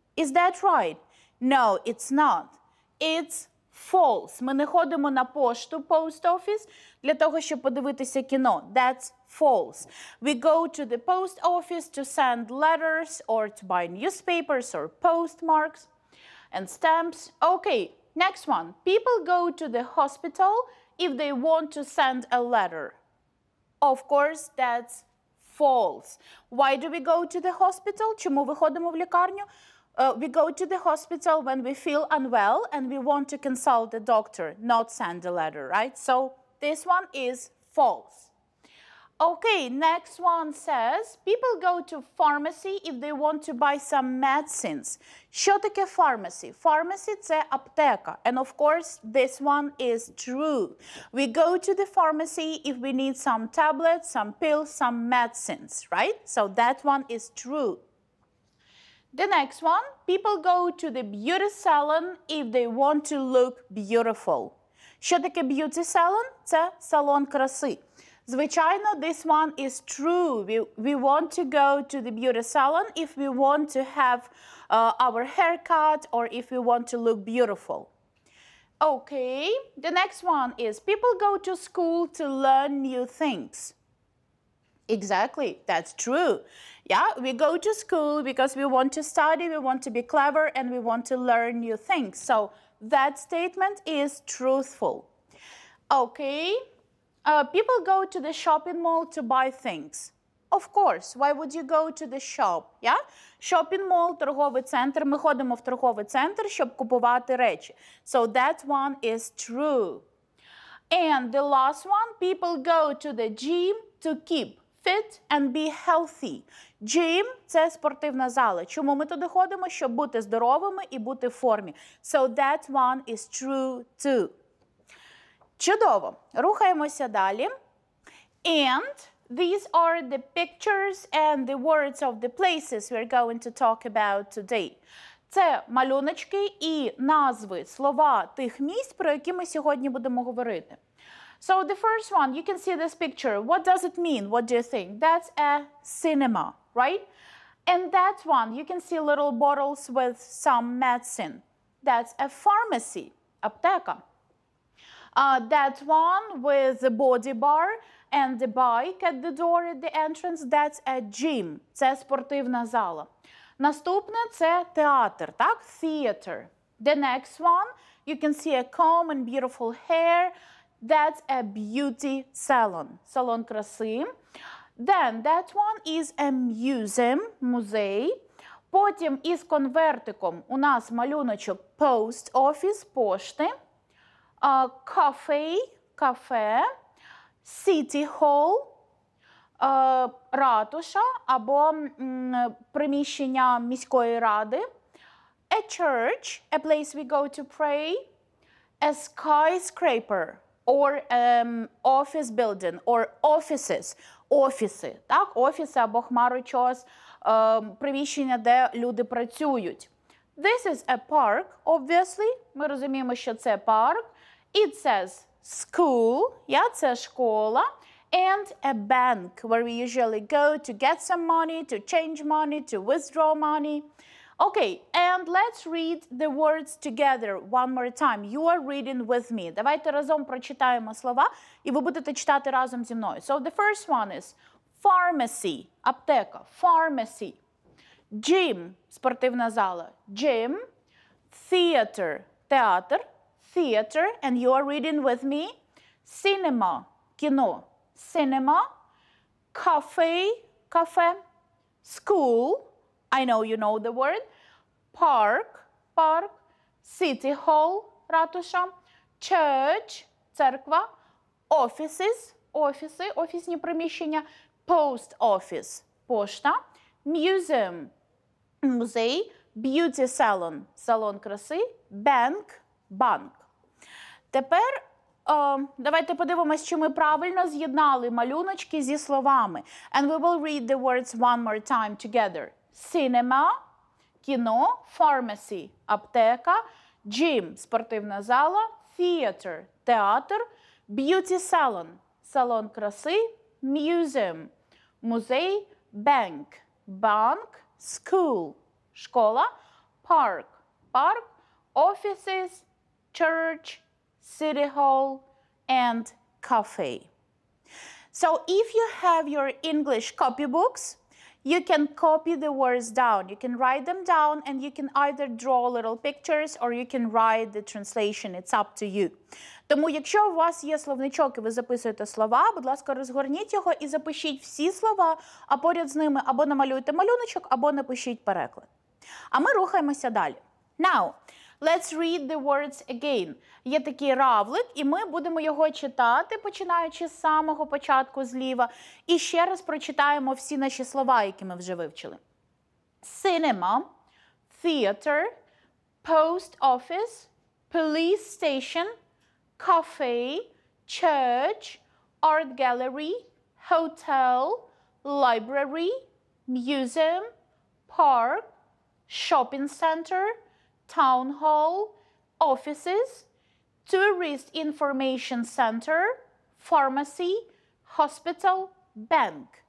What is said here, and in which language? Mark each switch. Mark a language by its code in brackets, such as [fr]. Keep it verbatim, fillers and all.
[en] Is that right? No, it's not. It's false. [uk] Ми не ходимо на пошту, post office, для того, щоб подивитися кіно. [en] That's false. We go to the post office to send letters or to buy newspapers or postmarks and stamps. Okay, next one. People go to the hospital if they want to send a letter. Of course, that's false. Why do we go to the hospital? [uk] Чому ми ходимо в лікарню? [en] Uh, we go to the hospital when we feel unwell and we want to consult the doctor, not send a letter, right? So this one is false. Okay, next one says, people go to pharmacy if they want to buy some medicines. [uk] Що таке pharmacy? Pharmacy – це аптека. [en] And of course, this one is true. We go to the pharmacy if we need some tablets, some pills, some medicines, right? So that one is true. The next one, people go to the beauty salon if they want to look beautiful. [uk] Що таке beauty salon? Це салон краси. Звичайно, [en] this one is true. We, we want to go to the beauty salon if we want to have uh, our haircut or if we want to look beautiful. Okay, the next one is people go to school to learn new things. Exactly, that's true. Yeah, we go to school because we want to study, we want to be clever, and we want to learn new things. So that statement is truthful. Okay, uh, people go to the shopping mall to buy things. Of course, why would you go to the shop? Yeah? [uk] Shopping mall, торговий центр. Ми ходимо в торговий центр, щоб купувати речі. [en] So that one is true. And the last one, people go to the gym to keep fit and be healthy. [uk] Gym – це спортивна зала. Чому ми туди ходимо? Щоб бути здоровими і бути в формі. [en] So that one is true too. [uk] Чудово. Рухаємося далі. [en] And these are the pictures and the words of the places we're going to talk about today. [uk] Це малюночки і назви, слова тих місць, про які ми сьогодні будемо говорити. [en] So the first one, you can see this picture. What does it mean? What do you think? That's a cinema, right? And that one, you can see little bottles with some medicine. That's a pharmacy, аптека. Uh, that one with the body bar and the bike at the door at the entrance, that's a gym. [uk] Це спортивна зала. Наступне – це театр, так? [en] Theater. The next one, you can see a comb and beautiful hair. That's a beauty salon, салон краси. Then that one is a museum, музей. Потім із конвертиком у нас малюночок post office, пошти. Uh, cafe, кафе. [uk] City hall, uh, ратуша або mm, приміщення міської ради. [en] A church, a place we go to pray. A skyscraper. Or um, office building, or offices, [uk] офіси, так, офіси або хмарочос, um, приміщення, де люди працюють. [en] This is a park, obviously, [uk] ми розуміємо, що це парк. [en] It says school, yeah, [uk] це школа, [en] and a bank, where we usually go to get some money, to change money, to withdraw money. Okay, and let's read the words together one more time. You are reading with me. [uk] Давайте разом прочитаємо слова, і ви будете читати разом зі мною. [en] So the first one is pharmacy, аптека, pharmacy. Gym, спортивна зала, gym. Theater, театр, theater. And you are reading with me. Cinema, кіно, cinema. Cafe, кафе. School, I know you know the word. Park, парк. City hall, ратуша. Church, церква. Offices, офіси, офісні приміщення. Post office, пошта. Museum, музей. Beauty salon, салон краси. Bank, банк. [uk] Тепер О, давайте подивимось, чи ми правильно з'єднали малюночки зі словами. [en] And we will read the words one more time together. Cinema, кіно, pharmacy, аптека, gym, спортивна зала, theater, театр, beauty salon, салон краси, museum, музей, bank, банк, school, школа, park, парк, offices, church, City Hall, and cafe. So if you have your English copybooks, you can copy the words down. You can write them down and you can either draw little pictures or you can write the translation. It's up to you. [uk] Тому якщо у вас є словничок і ви записуєте слова, будь ласка, розгорніть його і запишіть всі слова, а поряд з ними або намалюйте малюночок, або напишіть переклад. А ми рухаємося далі. [en] Now, let's read the words again. [uk] Є такий равлик, і ми будемо його читати, починаючи з самого початку зліва. І ще раз прочитаємо всі наші слова, які ми вже вивчили. [en] Cinema, theater, post office, police station, cafe, church, art gallery, hotel, library, museum, park, shopping center, town hall, offices, tourist information center, pharmacy, hospital, bank.